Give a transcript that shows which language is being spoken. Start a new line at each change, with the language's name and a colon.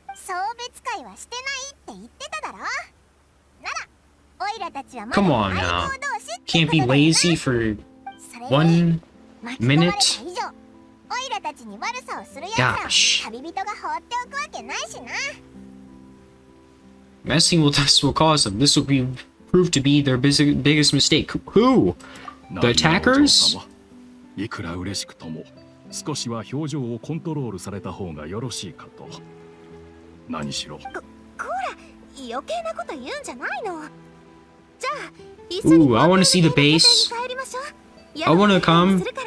Japanese: 送別会はしてないって言ってただろ。なら、オイラたちはまだ相棒同士ってことだよね。
English: Can't be lazy for one minute?
Japanese: オイラたちに悪さをするやつは旅人が放っておくわけないしな。
English: Messing with us will cause them. This will be proved to be their biggest mistake. Who? The attackers?
Japanese: いくら嬉しくとも、少しは表情をコントロールされた方がよろしいかと。何しろ。こら、余計なこと言うんじゃないの。じゃあ、一緒に。
English: I want to see the base. I want to come.